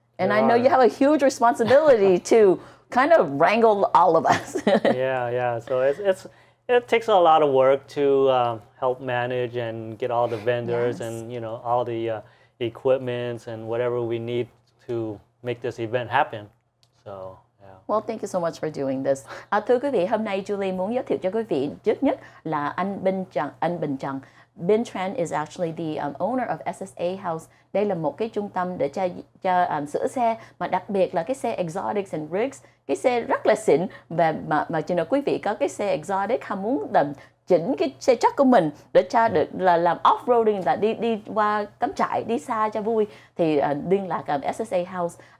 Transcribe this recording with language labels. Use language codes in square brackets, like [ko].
[en] And I know you have a huge responsibility to kind of wrangle all of us. Yeah. So it takes a lot of work to help manage and get all the vendors and, you know, all the equipments and whatever we need to make this event happen. So, yeah. Well, thank you so much for doing this. [vi] Thưa quý vị, hôm nay Julie muốn giới thiệu cho quý vị trước nhất là anh Bình Trần. [en] Bin Tran is actually the owner of SSA House. [vi] Đây là một cái trung tâm để cho sửa xe, mà đặc biệt là cái xe [en] exotics and rigs, [vi] cái xe rất là xịn. Và mà cho nên quý vị có cái xe exotic ham muốn làm chỉnh cái xe truck của mình để cho được là làm off-roading, là đi qua cắm trại, đi xa cho vui, thì liên lạc SSA House.